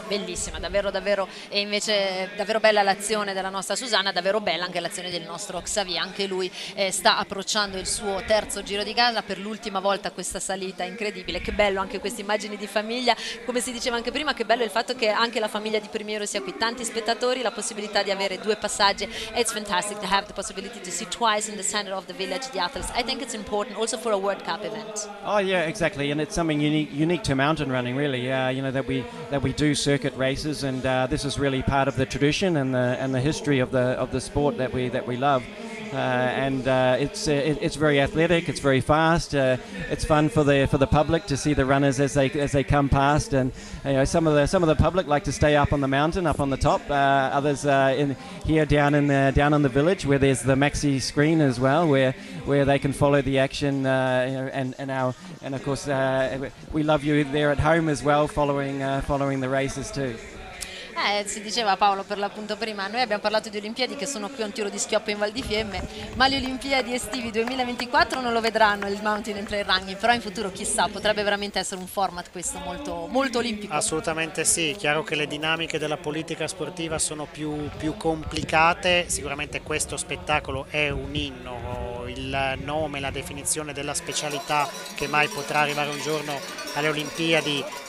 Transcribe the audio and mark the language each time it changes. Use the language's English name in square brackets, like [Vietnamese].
[Italian] Bellissima, davvero, e invece davvero bella l'azione della nostra Susanna, davvero bella anche l'azione del nostro Xavier, anche lui sta approcciando il suo terzo giro di gara per l'ultima volta, questa salita incredibile, che bello anche queste immagini di famiglia, come si diceva anche prima, che bello il fatto che anche la famiglia di Primiero sia qui, tanti spettatori, la possibilità di avere due passaggi. [English] It's fantastic to have the possibility to see twice in the center of the village the athletes. I think it's important also for a World Cup event. Oh yeah, exactly, and it's something unique to mountain running, really. You know, that we do circuit races, and this is really part of the tradition and the history of the sport that we love. It's very athletic, it's very fast, it's fun for the public to see the runners as they come past, and you know, some of the public like to stay up on the mountain, up on the top, others down in the village where there's the maxi screen as well, where they can follow the action, and of course we love you there at home as well, following the races too. [Italian] Si diceva Paolo per l'appunto prima, noi abbiamo parlato di Olimpiadi che sono qui a un tiro di schioppo in Val di Fiemme, ma le Olimpiadi estivi 2024 non lo vedranno il Mountain and Trail Running, però in futuro chissà, potrebbe veramente essere un format questo molto, molto olimpico. Assolutamente sì, chiaro che le dinamiche della politica sportiva sono più complicate, sicuramente questo spettacolo è un inno, il nome, la definizione della specialità che mai potrà arrivare un giorno alle Olimpiadi